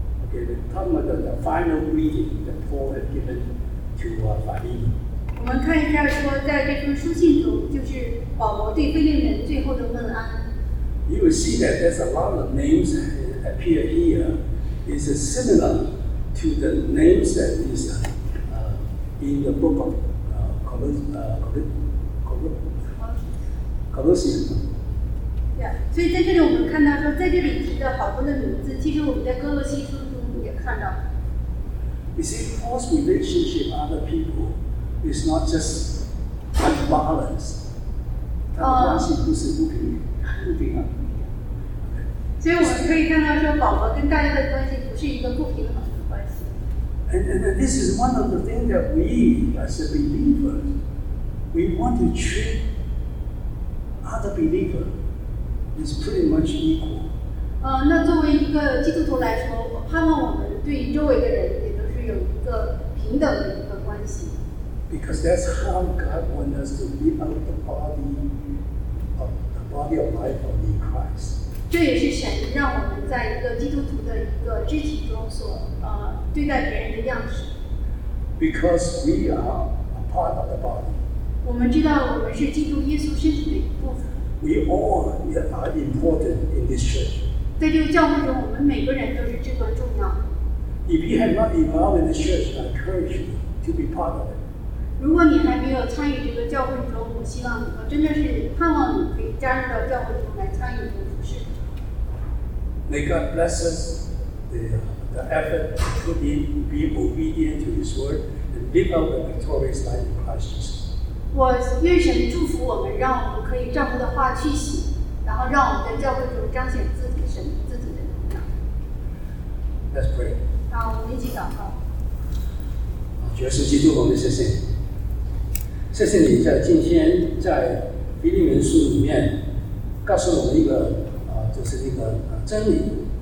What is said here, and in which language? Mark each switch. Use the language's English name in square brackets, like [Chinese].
[English] Okay, we talk about the final greeting that Paul had given to Philemon. [Chinese] 我们看一下说，在这封书信中，就是保罗对腓利门最后的问安。 [English] You will see that there's a lot of names appear here is similar to the names that is in the book of Colossians. [Chinese] Yeah, 所以在这里我们看到说，在这里提到好多的名字，其实我们在哥罗西书中也看到。 [English] You see, Paul's relationship with other people is not just unbalanced. [Chinese] 他的关系不是不平衡。所以我们可以看到说，保罗跟大家的关系不是一个不平衡的关系。 [English] And this is one of the things that we as a believer, we want to treat other believer is pretty much equal. [Chinese] 那作为一个基督徒来说，我盼望我们对周围的人也都是有一个平等的一个关系。 [English] Because that's how God wants us to live out the body of life in Christ. [Chinese] 这也是神让我们在一个基督徒的一个肢体中所对待别人的样式。 [English] Because we are a part of the body. [Chinese] 我们知道我们是基督耶稣身体的一部分。 [English] We all are important in this church. [Chinese] 在这个教会中，我们每个人都是至关重要的。 [English] If you have not involved in the church, I encourage you to be part of it. [Chinese] 如果你还没有参与这个教会中，我希望你，我真的是盼望你可以加入到教会中来参与这个服事。 [English] May God bless us. The effort to be obedient to His word and live out the victorious life in Christ Jesus. [Chinese] 我愿神祝福我们，让我们可以照他的话去行，然后让我们在教会中彰显自己神自己的荣耀。 [English] Let's pray. [Chinese] 那我们一起祷告。主耶稣基督，我们谢谢你，谢谢你在今天在腓立门书里面告诉我们一个就是一个真理。